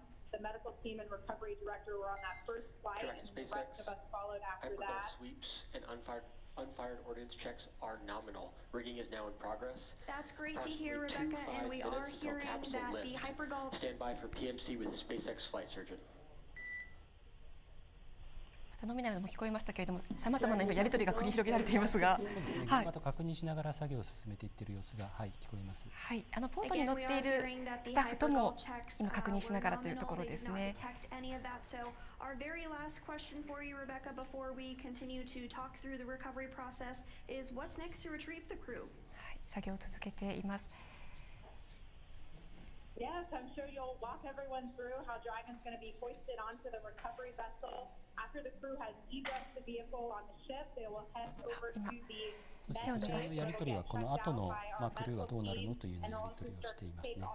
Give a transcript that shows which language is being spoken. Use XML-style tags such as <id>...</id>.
<en>The medical team and recovery director were on that first flight, and the rest of us followed after that. Hyperbolic sweeps and unfired ordnance checks are nominal. Rigging is now in progress. That's great to hear, Rebecca, and we are hearing that the hypergolic... Stand by for PMC with SpaceX flight surgeon.</en> <ja>頼みなども聞こえましたけれども、さまざまな今やり取りが繰り広げられていますが、そうですね、現場と確認しながら作業を進めていっている様子が、はい、聞こえます。はい、あのポートに乗っているスタッフとも今確認しながらというところですね。</ja> <en>Our very last question for you, Rebecca, before we continue to talk through the recovery process is what's next to retrieve the crew?</en> <ja>作業を続けています。</ja> <en>Yes, I'm sure you'll walk everyone through how Dragon's going to be hoisted onto the recovery vessel. After the crew has de-dressed the vehicle on the ship, they will head over to the...</en> <ja>こちらのやり取りはこの後の、まあ、クルーはどうなるのというやり取りをしていますね。</ja>